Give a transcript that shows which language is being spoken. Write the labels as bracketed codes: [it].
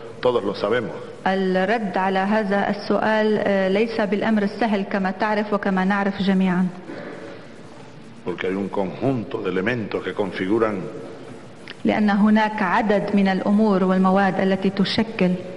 [es] todos lo sabemos. [ar] الرد على هذا السؤال ليس بالأمر السهل كما تعرف وكما نعرف جميعا. [es] Porque hay un conjunto de elementos que configuran. [ar] لأن هناك عدد من الأمور والمواد التي تشكل.